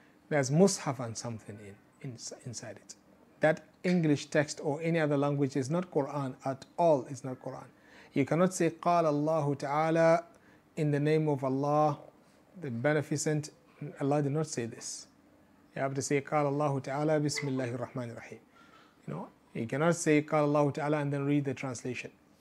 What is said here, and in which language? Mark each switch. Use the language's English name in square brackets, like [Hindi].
[English] There's Mus'haf and something inside it. That English text or any other language is not Quran at all. It's not Quran. You cannot say [Arabic] قال الله تعالى [English] in the name of Allah, the Beneficent. Allah did not say this. You have to say [Arabic] قال الله تعالى بسم الله الرحمن الرحيم. [English] You know. He cannot say [Arabic] قال الله تعالى [English] and then read the translation.